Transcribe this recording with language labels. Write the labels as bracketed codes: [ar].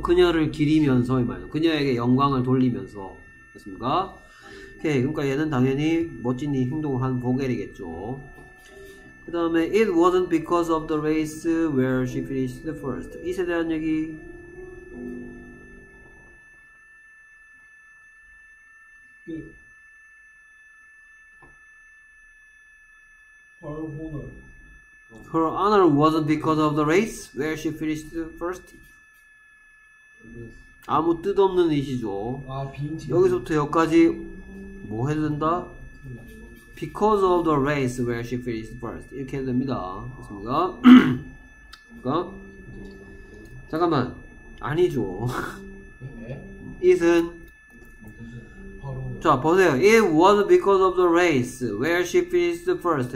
[ko] 그녀를 기리면서 이 말이죠. 그녀에게 영광을 돌리면서. 됐습니까? 오케이. 그러니까 얘는 당연히 멋진 행동을 한 보겔이겠죠. 그 다음에 [en] It wasn't because of the race where she finished first. [ko] 이세 대한 얘기. 네. [en] Her honor wasn't because of the race where she finished first. [ko] 아무 뜻 없는 이시죠. 아, 여기서부터 여기까지 뭐 해도 된다? [en] Because of the race where she finished first. [ko] 이렇게 해도 됩니다. 그렇습니까? 그러니까? 잠깐만. 아니죠. It은? 자, 보세요. [en] It was because of the race where she finished first.